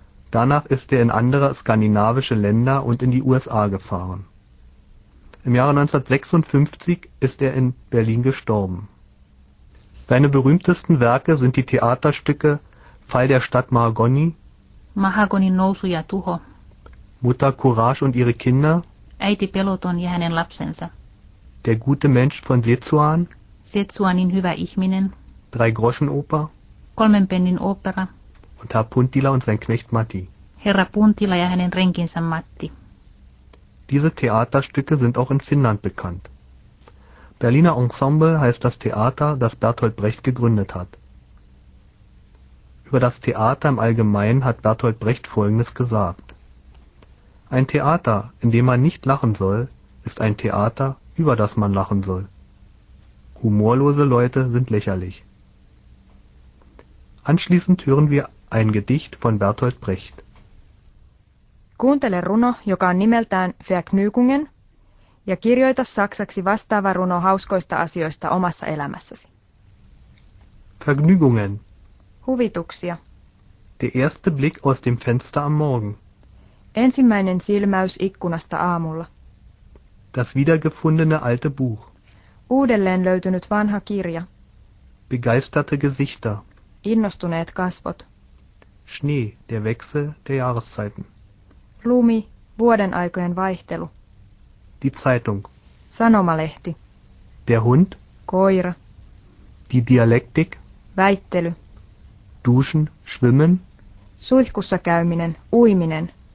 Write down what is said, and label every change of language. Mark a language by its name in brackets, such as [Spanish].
[German] Danach ist er in andere skandinavische Länder und in die USA gefahren. Im Jahre 1956 ist er in Berlin gestorben. Seine berühmtesten Werke sind die Theaterstücke Fall der Stadt Mahagoni, [Finnish] Mahagonin nousu ja tuho, [German] Mutter Courage und ihre Kinder, [Finnish] Äiti Peloton ja hänen lapsensa, [German] Der gute Mensch von Sezuan, [Finnish] Sezuanin hyvä ihminen, [German] Drei Groschen Oper, [Finnish] Kolmen Pennin Opera [German] und Herr Puntila und sein Knecht Matti. [Finnish] Herra Puntila ja hänen renkinsä Matti. [German] Diese Theaterstücke sind auch in Finnland bekannt. Berliner Ensemble heißt das Theater, das Bertolt Brecht gegründet hat. Über das Theater im Allgemeinen hat Bertolt Brecht Folgendes gesagt. Ein Theater, in dem man nicht lachen soll, ist ein Theater, über das man lachen soll. Humorlose Leute sind lächerlich. Anschließend hören wir ein Gedicht von Bertolt Brecht. [Finnish] Kuuntele runo, joka on nimeltään Vergnügungen, ja kirjoita saksaksi vastaava runo hauskoista asioista omassa elämässäsi. [German] Vergnügungen. [Finnish] Huvituksia. [German] Der erste Blick aus dem Fenster am Morgen. [Finnish] Ensimmäinen silmäys ikkunasta aamulla. [German] Das wiedergefundene alte Buch. [Finnish] Uudelleen löytynyt vanha kirja. [German] Begeisterte Gesichter. [Finnish] Innostuneet kasvot. [German] Schnee, der Wechsel der Jahreszeiten. [Finnish] Lumi, vuoden aikojen vaihtelu. [German] Die Zeitung. [Finnish] Sanomalehti. [German] Der Hund. [Finnish] Koira. [German] Die Dialektik. [Finnish] Väittely. [German] Duschen, schwimmen. [Finnish] Suihkussa käyminen, uiminen.